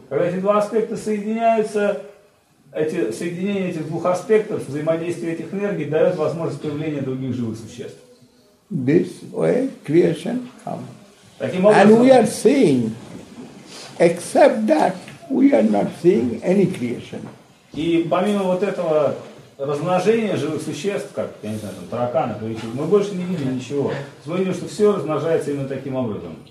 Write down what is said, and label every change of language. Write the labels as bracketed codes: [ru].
[ru] Когда эти два аспекта соединяются, эти соединения этих двух аспектов, взаимодействие этих энергий, дает возможность появления других живых существ. [en] This way creation comes. [ru] Таким образом, [en] and we are seeing, except that we are not seeing any creation. [ru] И помимо вот этого, размножение живых существ, как, я не знаю, там, тараканы, поищут, мы больше не видим ничего. Мы видим, что все размножается именно таким образом.